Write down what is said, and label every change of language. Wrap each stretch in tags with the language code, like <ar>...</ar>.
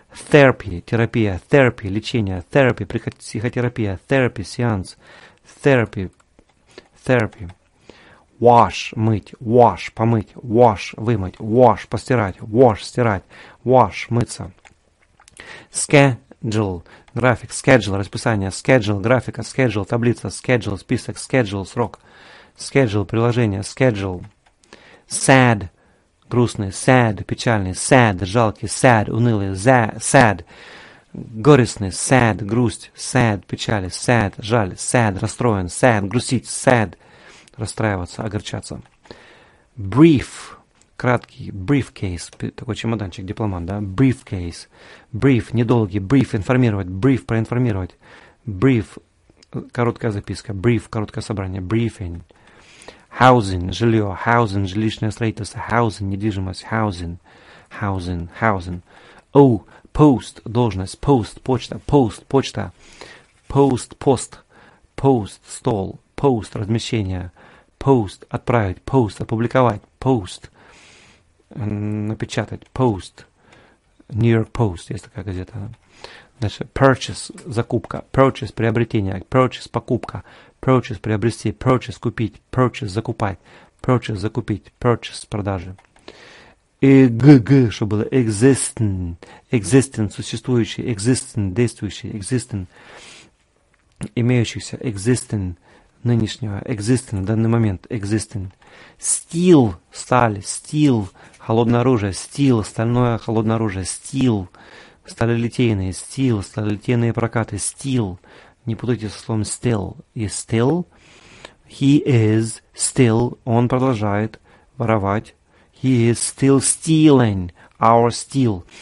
<en>Therapy, терапия, therapy, лечение, therapy, психотерапия, therapy, сеанс. Therapy, therapy.</en> <ru>Wash, мыть, wash, помыть, wash, вымыть, wash, постирать, wash, стирать, wash, мыться.</ru> <en>Schedule, график, schedule, расписание, schedule, графика, schedule, таблица, schedule, список, schedule, срок, schedule, приложение, schedule. Sad, грустный, sad, печальный, sad, жалкий, sad, унылый, sad.</en> <ru>Горестный, sad, грусть, sad, печаль, sad, жаль, sad, расстроен, sad, грустить, sad, расстраиваться, огорчаться. Brief, краткий, briefcase, такой чемоданчик, дипломат, да, briefcase, brief, недолгий, brief, информировать, brief, проинформировать, brief, короткая записка, brief, короткое собрание, briefing.</ru> <en>Housing, жилье, housing,</en> <ru>жилищное строительство,</ru> <en>housing, недвижимость, housing, housing, housing. Oh, post, должность, post, почта, post, почта, post, пост, post, стол, post, размещение, post, отправить, post, опубликовать, post, напечатать, post, New York Post,</en> <ru>есть такая газета. Дальше, purchase, закупка, purchase, приобретение, purchase, покупка, purchase, приобрести, purchase, купить, purchase, закупать, purchase, закупить, purchase, продажи. И г, что было, existing, existing, существующий, existing, действующий, existing, имеющийся, existing, нынешнего, existing, в данный момент, existing. Steel, сталь, steel, холодное оружие, steel, стальное холодное оружие, steel, сталелитейные, steel, сталелитейные прокаты, steel, не путайте со словом steel,</ru> <en>is still, he is still,</en> <ru>он продолжает воровать.</ru> <en>He is still stealing our steel.</en>